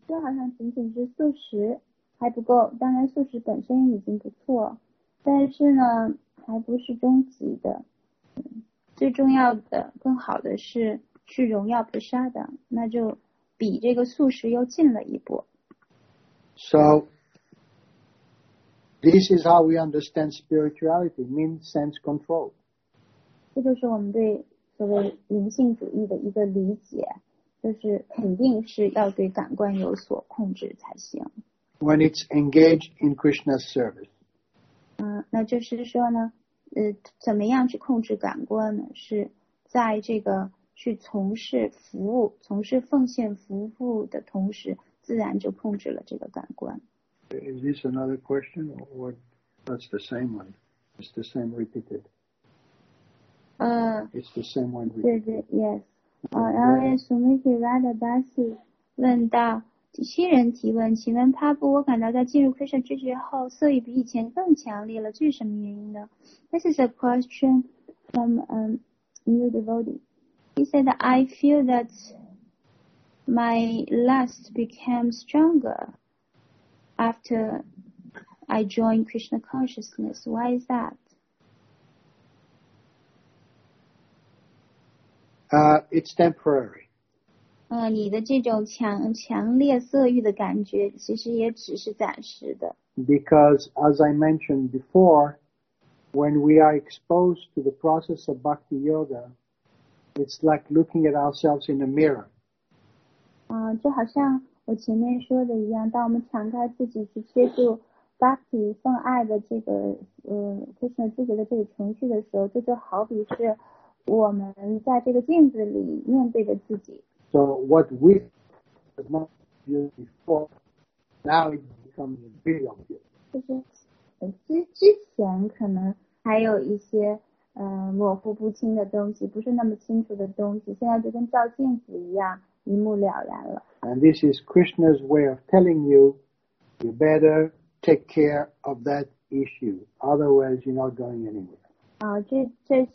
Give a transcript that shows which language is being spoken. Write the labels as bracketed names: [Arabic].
[Chinese] 就好像仅仅是素食还不够，当然素食本身已经不错，但是呢还不是终极的，最重要的更好的是去荣耀菩萨的，那就比这个素食又近了一步。 [English] So this is how we understand spirituality, means sense control. [Chinese] 这就是我们对所谓灵性主义的一个理解，就是肯定是要对感官有所控制才行。 [English] When it's engaged in Krishna's service, [Chinese] 那就是说呢，怎么样去控制感官呢？是在这个去从事服务、从事奉献服务的同时，自然就控制了这个感官。 [English] Is this another question, or that's the same one? It's the same repeated. It's the same one repeated. [Chinese] 对对 ， [English] yes. [Chinese] 然后 Sumiti Radabasi 问到。新人提问，请问帕布，我感到在进入 Krishna 知觉后色欲比以前更强烈了，这是什么原因呢？ [English] This is a question from a new devotee. He said, I feel that my lust became stronger after I joined Krishna consciousness. Why is that? It's temporary. [Chinese] 你的这种强烈色欲的感觉其实也只是暂时的。 [English] Because, as I mentioned before, when we are exposed to the process of Bhakti Yoga, it's like looking at ourselves in a mirror. [Chinese] 就好像我前面说的一样，当我们敞开自己去接触 Bhakti 奉爱的这个Krishna 自觉的这个程序的时候，这就好比是我们在这个镜子里面对着自己。 [English] So what we have not used before, now it becomes very obvious. [Chinese] 就是之前可能还有一些模糊不清的东西，不是那么清楚的东西，现在就跟照镜子一样，一目了然了。 [English] And this is Krishna's way of telling you, you better take care of that issue, otherwise you're not going anywhere.